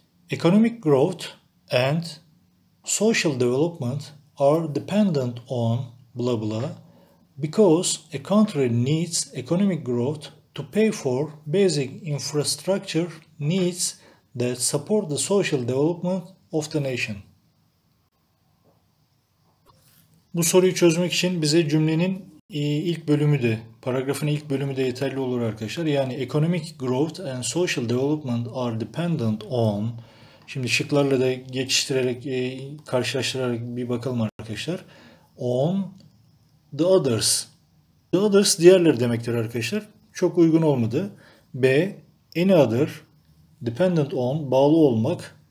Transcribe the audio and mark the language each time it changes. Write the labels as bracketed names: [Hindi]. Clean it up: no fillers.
[English] Economic growth and social development are dependent on blah blah because a country needs economic growth to pay for basic infrastructure needs that support the social development of the nation. [Turkish] Bu soruyu çözmek için bize cümlenin ilk bölümü de, paragrafın ilk bölümü de yeterli olur arkadaşlar. [English] Yani economic growth and social development are dependent on. [Turkish] Şimdi şıklarla da geçiştirerek, karşılaştırarak bir bakalım arkadaşlar. [English] On the others. The others [Turkish] diğerleri demektir arkadaşlar. Çok uygun olmadı. [English] B any other dependent on [Turkish] bağlı olmak.